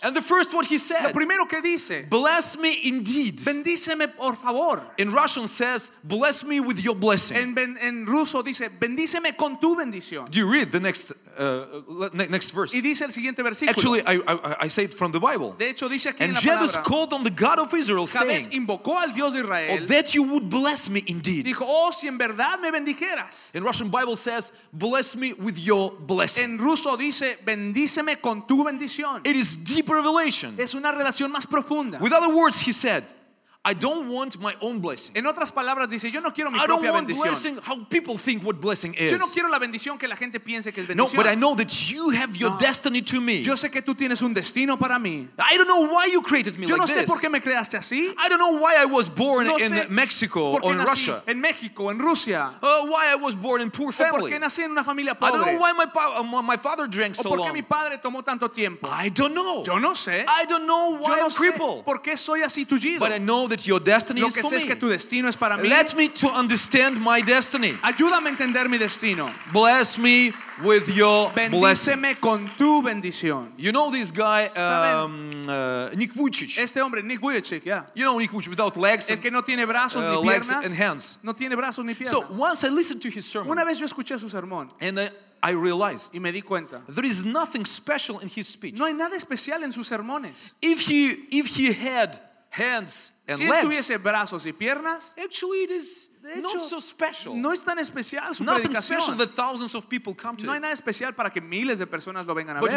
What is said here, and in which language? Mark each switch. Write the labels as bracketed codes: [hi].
[en] And the first what he said. [es] Lo primero que dice. [en] Bless me indeed. [es] Bendíceme por favor. [en] In Russian says, bless me with your blessing. [es] En ruso dice, bendíceme con tu bendición. [en] Do you read the next verse? [es] Y dice el siguiente versículo. [en] Actually, I say it from the Bible. [es] De hecho dice aquí [en] and [es] en la palabra. [en] And Jabez called on the God of Israel, saying. [es] Jabez invocó al Dios de Israel, [en] oh, that you would bless me indeed. [es] Dijo, oh, si en verdad me bendijeras. [en] In Russian Bible says, bless me with your blessing. [es] En ruso dice, bendíceme con tu bendición. [en] It is deep revelation. [es] Es una relación más profunda. [en] With other words, he said, I don't want my own blessing. [es] En otras palabras, dice, yo no quiero mi propia bendición. [en] I don't want blessing how people think what blessing is. [es] Yo no quiero la bendición que la gente piense que es bendición. [en] No, but I know that you have your destiny to me. [es] Yo sé que tú tienes un destino para mí. [en] I don't know why you created me [es] yo [en] like [es] no [en] this. [es] Yo no sé por qué me creaste así. [en] I don't know why I was born [es] no sé [en] in Mexico or in Russia. [es] En México, en Rusia. [en] Why I was born in poor family. [es] O por qué nací en una familia pobre. [en] I don't know why my father drank so long. [es] O por qué mi padre tomó tanto tiempo. [en] I don't know. [es] Yo no sé. [en] I don't know why [es] yo no [en] I'm crippled. [es] Por qué soy así tullido. [en] But I know that your destiny [es] lo que [en] is for [es] es que tu destino es para mí. [en] Let me to understand my destiny. [es] Ayúdame a entender mi destino. [en] Bless me with your [es] bendíceme [en] blessing. [es] Con tu bendición. [en] You know this guy, Nick Vujicic. [es] Este hombre, Nick Vujicic, yeah. [en] You know Nick Vujicic without legs. [es] El que no tiene brazos ni piernas. [en] Legs and hands. [es] No tiene brazos ni piernas. [en] So once I listened to his sermon. [es] Una vez yo escuché su sermón. [en] And I realized. [es] Y me di cuenta. [en] There is nothing special in his speech. [es] No hay nada especial en sus sermones. [en] If he had hands and legs. [es] Si tuviese brazos y piernas. [en] Actually, it is not so special. [es] No es tan especial su predicación. [en] Nothing special that thousands of people come to. [es] No hay nada especial para que miles de personas lo vengan a ver.